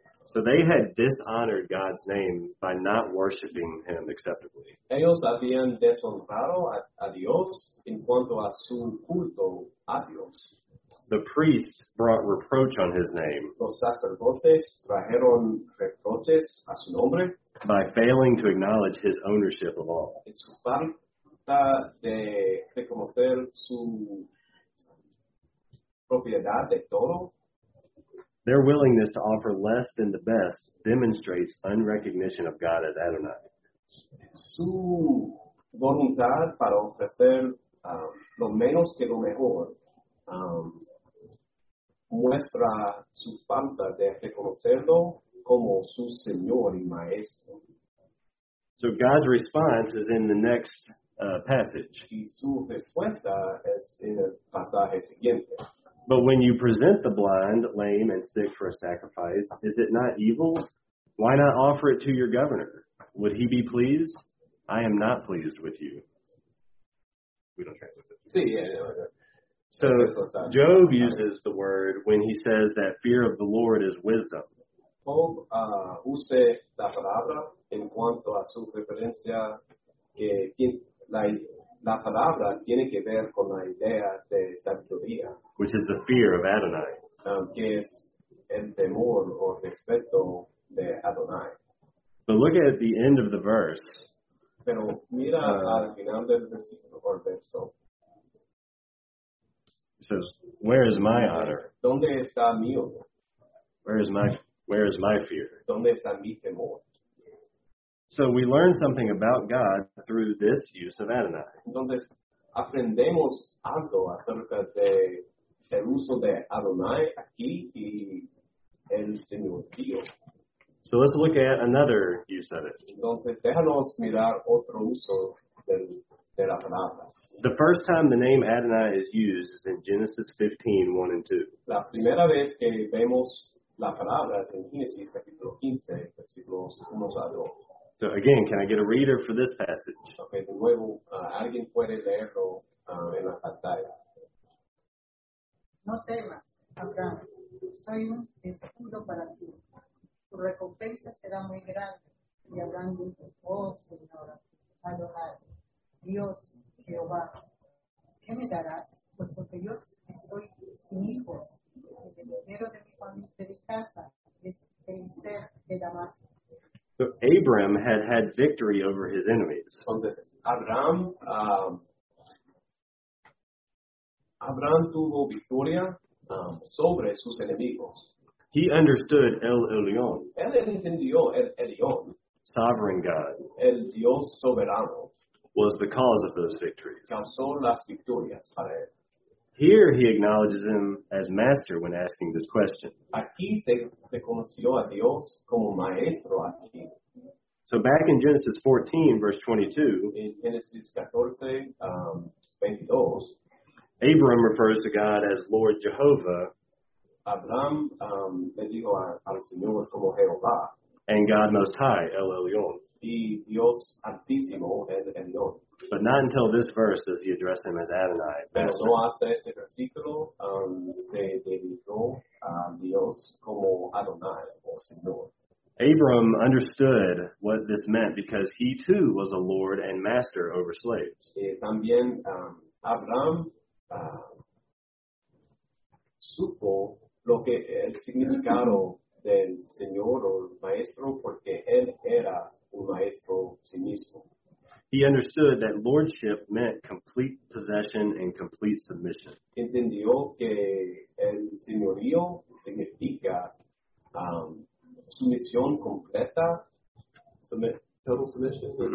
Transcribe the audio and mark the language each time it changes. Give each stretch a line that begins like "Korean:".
English: So they had dishonored God's name by not worshiping him acceptably.
Spanish: Ellos habían deshonrado a Dios en cuanto a su culto a Dios.
English: The priests brought reproach on his name.
Spanish: Los sacerdotes trajeron reproches a su nombre.
English: By failing to acknowledge his ownership of all.
Spanish: En su falta de reconocer su propiedad de todo.
English: Their willingness to offer less than the best demonstrates unrecognition of God as Adonai.
Spanish: Su voluntad para ofrecer lo menos que lo mejor muestra su falta de reconocerlo como su Señor y Maestro.
English: So God's response is in the next passage.
Spanish: Y su respuesta es en el pasaje siguiente.
English: But when you present the blind, lame, and sick for a sacrifice, is it not evil? Why not offer it to your governor? Would he be pleased? I am not pleased with you. We don't translate this. Sí. So Job uses the word when he says that fear of the Lord is wisdom.
Spanish: Job usa la palabra en cuanto a su referencia que la palabra tiene que ver con la idea de sabiduría.
English: Which is the fear of Adonai.
Spanish: Que es el temor o respeto de Adonai.
English: But look at the end of the verse.
Spanish: Pero mira al final del versículo o verso.
English: It says, where is my honor?
Spanish: ¿Dónde está mi honor?
English: Where is my fear?
Spanish: ¿Dónde está mi temor?
English: So we learn something about God through this use of Adonai.
Spanish: Entonces, aprendemos algo acerca de el uso de Adonai aquí y el Señor Dios.
English: So let's look at another use of it.
Spanish: Entonces, déjanos mirar otro uso de la palabra.
English: The first time the name Adonai is used is in Genesis 15, 1 and 2.
Spanish: La primera vez que vemos la palabra es en Génesis capítulo 15, versículos 1 a 2.
English: So again, can I get a reader for this passage?
Spanish: Okay, de nuevo, alguien puede leerlo en la pantalla. No temas, Abraham. Soy un escudo para ti. Tu recompensa será muy grande. Y Abraham dijo, oh, Señora, Adonai, Dios, Jehová, ¿qué me darás? Puesto que yo estoy sin hijos, y el heredero de mi familia, de mi casa, es Eliezer de Damasco.
English: So Abram had had victory over his enemies.
Spanish: Entonces, Abraham tuvo victoria sobre sus enemigos.
English: He understood El Elyon.
Spanish: Él entendió El Elyon.
English: Sovereign God.
Spanish: El Dios soberano.
English: Was the cause of those victories.
Spanish: Causó las victorias para él.
English: Here he acknowledges him as master when asking this question.
Spanish: Aquí se reconoció a Dios como maestro aquí.
English: So back in Genesis 14, verse 22, in Genesis 14, 22, Abram refers to God as Lord Jehovah.
Spanish: Abraham le dijo al Señor como Jehová.
English: And God Most High, El Elyon.
Spanish: Y Dios Altísimo, El Elyon.
English: But not until this verse does he address him as Adonai.
Spanish: Pero no hasta este versículo se dedicó a Dios como Adonai, o Señor.
English: Abram understood what this meant because he too was a lord and master over slaves.
Spanish: Y también Abraham supo lo que el significado del Señor o Maestro porque él era un maestro sí mismo.
English: He understood that lordship meant complete possession and complete submission.
Spanish: Entendió que el señorío significa sumisión completa,
English: total submission,